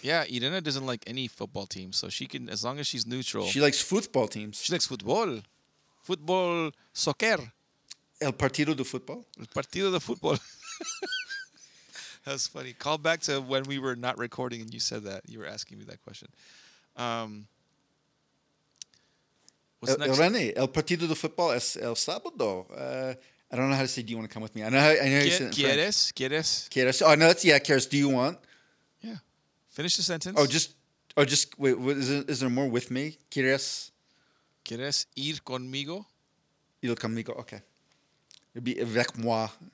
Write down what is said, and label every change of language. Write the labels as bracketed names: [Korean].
[English] Yeah, Irene doesn't like any football teams, so she can, as long as she's neutral. She likes football teams. She likes football. Football, soccer. [Spanish] El partido de football. El partido de football. [English] That's funny. Call back to when we were not recording and you said that. You were asking me that question. What's next? [Spanish] Irene, el partido de fútbol es el sábado. [English] I don't know how to say, do you want to come with me? I know how you said it. [Spanish] ¿Quieres? [English] Oh, no, that's, yeah, cares. Do you want? Yeah. Finish the sentence. Wait, is there more with me? [Spanish] ¿Quieres ir conmigo? Ir conmigo, [English] okay. It'd be [French] avec moi.